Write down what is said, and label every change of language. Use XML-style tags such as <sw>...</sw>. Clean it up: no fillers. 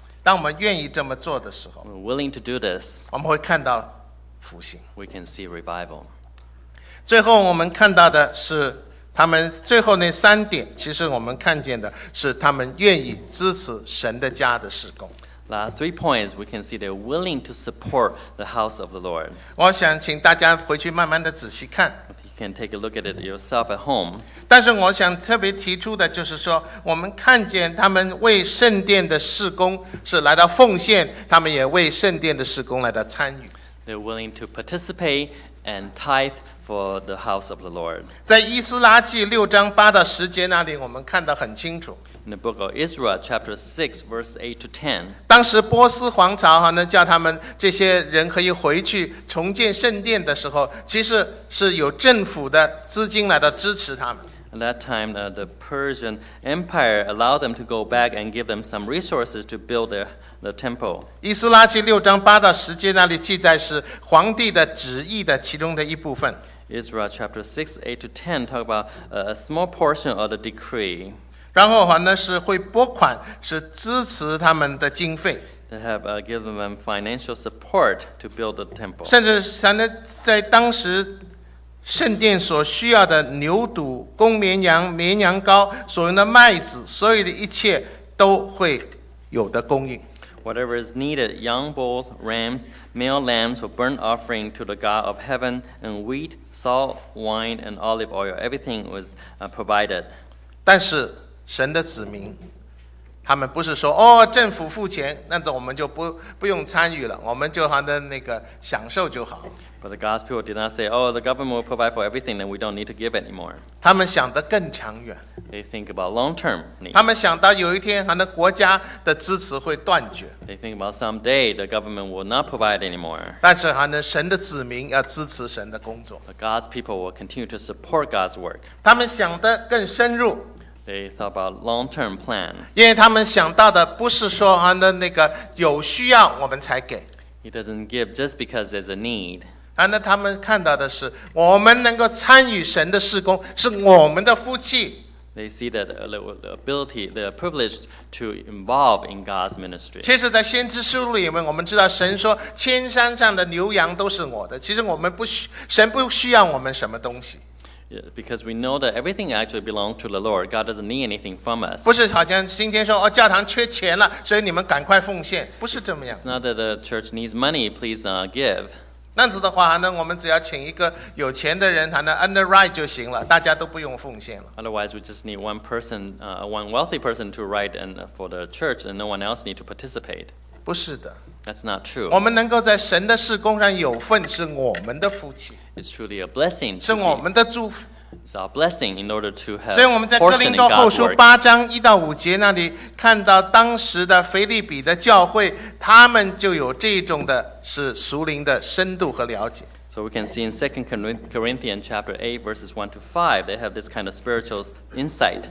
<zh>当我们愿意这么做的时候</zh> <en>，we're willing to do this,</en> <zh>我们会看到复兴。</zh> <en>We can see revival.</en> <zh>最后我们看到的是他们最后那三点，其实我们看见的是他们愿意支持神的家的事工。</zh> <en>Last three points, we can see they're willing to support the house of the Lord.</en> <zh>我想请大家回去慢慢的仔细看。</zh> <en>Can take a look at it yourself at home.</en> <zh>但是我想特别提出的就是说，我们看见他们为圣殿的事工是来到奉献，他们也为圣殿的事工来到参与。</zh> <en>They're willing to participate and tithe for the house of the Lord.</en> <zh>在以斯拉记六章八到十节那里，我们看得很清楚。</zh> <en>In the book of Ezra, chapter 6, verse 8 to 10.</en> <zh>当时波斯皇朝哈呢，叫他们这些人可以回去重建圣殿的时候，其实是有政府的资金来的支持他们。</zh> <en>At that time, the Persian Empire allowed them to go back and give them some resources to build the temple.</en> <zh>以斯拉记六章八到十节那里记载是皇帝的旨意的其中的一部分。</zh> <en>Ezra chapter 6, 8 to 10 talk about a small portion of the decree.</en> <zh>然后还呢是会拨款，是支持他们的经费。</zh> <en>They have given them financial support to build the temple.</en> <zh>甚至在当时圣殿所需要的牛犊、公绵羊、绵羊羔，所用的麦子，所有的一切都会有的供应。</zh> <en>Whatever is needed, young bulls, rams, male lambs for burnt offering to the God of heaven, and wheat, salt, wine, and olive oil, everything was provided.</en> <zh>但是神的子民，他们不是说哦，政府付钱，那种我们就不用参与了，我们就好像那个享受就好。</zh> <en>But the God's people did not say, oh, the government will provide for everything and we don't need to give anymore.</en> <zh>他们想得更长远。</zh> <en>They think about long-term needs.</en> <zh>他们想到有一天他们国家的支持会断绝。</zh> <en>They think about someday the government will not provide anymore.</en> <zh>但是他们神的子民要支持神的工作。</zh> <en>The God's people will continue to support God's work.</en> <zh>他们想得更深入。</zh> <en>They thought about long-term plan.</en> <zh>因为他们想到的不是说他们那个有需要我们才给。</zh> <en>He doesn't give just because there's a need.</en> <zh>那他们看到的是我们能够参与神的事工是我们的福气。</zh> <en>They see that the ability, the privilege to involve in God's ministry.</en> <zh>其实在先知书里面我们知道神说千山上的牛羊都是我的，其实我们不需神不需要我们什么东西。</zh> <en>Yeah, because we know that everything actually belongs to the Lord. God doesn't need anything from us.</en> <zh>不是好像今天说、哦、教堂缺钱了，所以你们赶快奉献，不是这么样。</zh> <en>It's not that the church needs money, please give.</en> <zh>那样子的话呢，我们只要请一个有钱的人，他能 underwrite 就行了，大家都不用奉献了。</zh> <en>Otherwise, we just need one person, one wealthy person to write and for the church, and no one else need to participate.</en> <zh>不是的。</zh> <en>That's not true.</en> <zh>我们能够在神的事工上有份，是我们的福气。</zh> <en>It's truly a blessing.</en> <zh>是我们的祝福。</zh> <en>It's our blessing in order to have.</en> <zh>所以我们在哥林多后书八章一到五节那里看到当时的腓立比的教会，他们就有这种的是属灵的深度和了解。</zh> <en>So we can see in 2 Corinthians chapter 8 verses 1 to 5, they have this kind of spiritual insight.</en>